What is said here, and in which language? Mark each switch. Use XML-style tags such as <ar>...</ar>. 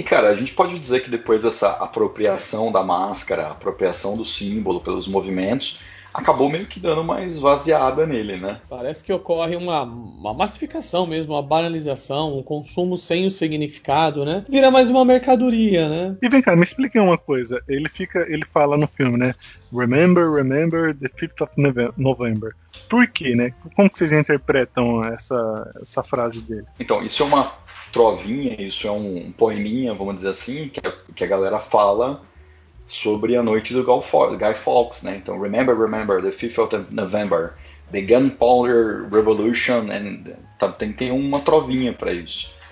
<pt>E, cara, a gente pode dizer que depois dessa apropriação da máscara, apropriação do símbolo pelos movimentos, acabou meio que dando uma esvaziada nele, né? Parece que ocorre uma massificação mesmo, uma banalização, um consumo sem o significado, né? Vira mais uma mercadoria, né? E vem cá, me explique uma coisa. Ele fala no filme, né?</pt> <en>Remember the 5th of November.</en> <pt>Por quê, né? Como que vocês interpretam essa frase dele? Então, isso é uma trovinha, isso é um poeminha, vamos dizer assim, que a galera fala sobre a noite do Guy Fawkes, né? Então,</pt> <en>remember, the 5th of November, the Gunpowder Revolution,</en> <pt>tem uma trovinha pra isso.</pt>